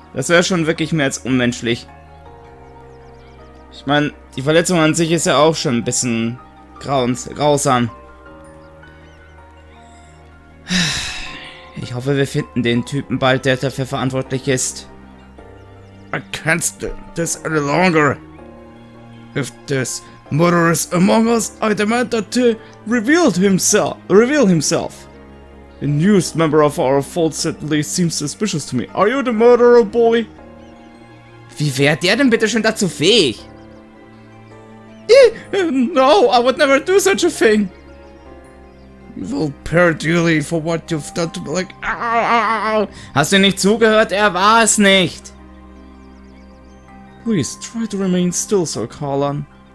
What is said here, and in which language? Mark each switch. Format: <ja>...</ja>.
<de>Das wäre schon wirklich mehr als unmenschlich. Ich meine, die Verletzung an sich ist ja auch schon ein bisschen grausam. Ich hoffe, wir finden den Typen bald, der dafür verantwortlich ist.</de> <en>I can't stand this any longer. If this murderer is among us, I demand that he reveal himself. The newest member of our fold certainly seems suspicious to me. Are you the murderer, boy?</en> <de>Wie wäre der denn bitte schon dazu fähig?</de> <en>No, I would never do such a thing. You will pay dearly for what you've done to me. Like,</en> <de>hast du nicht zugehört? Er war es nicht.</de> <en>Please try to remain still, Sir Carlan.</en>